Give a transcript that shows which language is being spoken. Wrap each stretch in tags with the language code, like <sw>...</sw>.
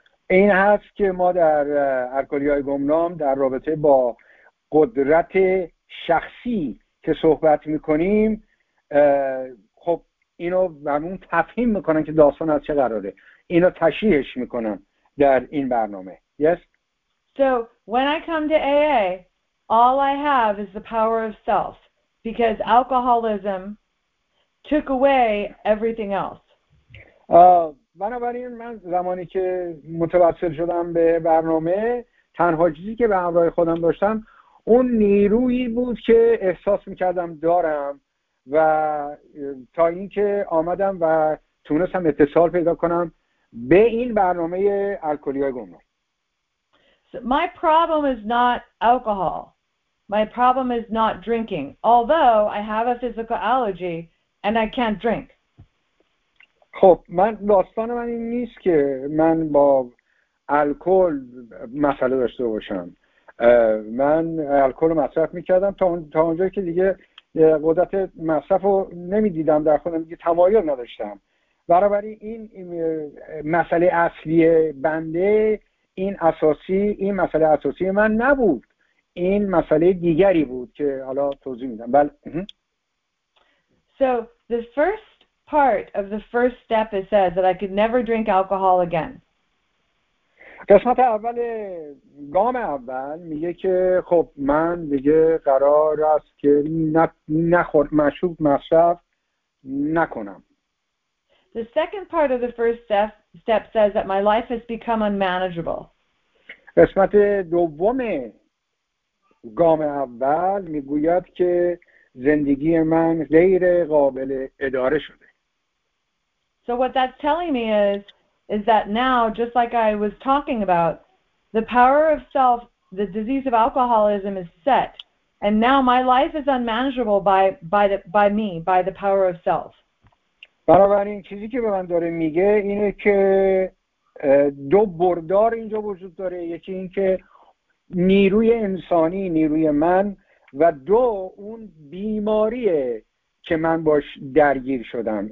<fa>این هست که ما در الکلی‌های گمنام در رابطه با قدرت شخصی که صحبت می‌کنیم، خب اینو برمون تفهیم می‌کنن که داستان از چه قراره، اینو تشریحش می‌کنن در این برنامه.</fa> <en>Yes. So when I come to AA, all I have is the power of self because alcoholism took away everything else.</en> <fa>بنابراین من زمانی که متوسل شدم به برنامه، تنها چیزی که به همراه خودم داشتم اون نیرویی بود که احساس میکردم دارم، و تا اینکه آمدم و تونستم اتصال پیدا کنم به این برنامه الکلی‌های گمنام.</fa> <en>My problem is not alcohol. My problem is not drinking. Although I have a physical allergy and I can't drink.</en> <fa>خب من داستان من این نیست که من با الکل مسئله داشته باشم. من الکل مصرف میکردم تا اونجایی که دیگه قدرت مصرف رو نمیدیدم در خودم، دیگه تمایل نداشتم. برابری این مسئله اصلی بنده این اساسی، این مسئله اساسی من نبود، این مسئله دیگری بود که حالا توضیح میدم. بله.</fa> <en>So the first part of the first step it says that I could never drink alcohol again.</en> <fa>قسمت اول، گام اول میگه که خب من دیگه قرار است که مشروب مصرف نکنم.</fa> <en>The second part of the first step says that my life has become unmanageable.</en> <fa>قسمت دوم گام اول میگوید که زندگی من غیر قابل اداره شده.</fa> <en>So what that's telling me is that now, just like I was talking about, the power of self, the disease of alcoholism is set, and now my life is unmanageable by the power of self.</en> <fa>بنابراین چیزی که به من داره میگه اینه که دو بردار اینجا وجود داره، یکی این که نیروی انسانی، نیروی من، و دو اون بیماریه که من باش درگیر شدم.</fa>